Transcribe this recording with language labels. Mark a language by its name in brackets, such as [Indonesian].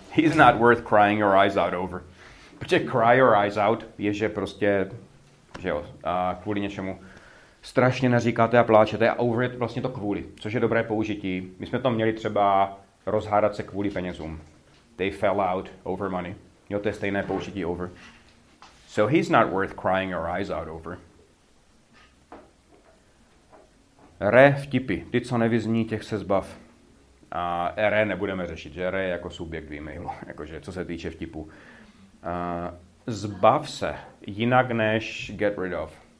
[English] He's not worth crying your eyes out over. [Czech] Protože cry your eyes out je, že prostě, že jo, a kvůli něčemu strašně naříkáte a pláčete a over je vlastně to kvůli, což je dobré použití. My jsme to měli třeba rozhádat se kvůli penězům. They fell out over money. Jo, to je stejné použití over. [English] So he's not worth crying your eyes out over. [Czech] Re vtipy. Ty, co nevyzní, těch se zbav. A re nebudeme řešit, že re je jako subjekt v e-mailu. Jakože, co se týče vtipu. Zbav se. Jinak než get rid of.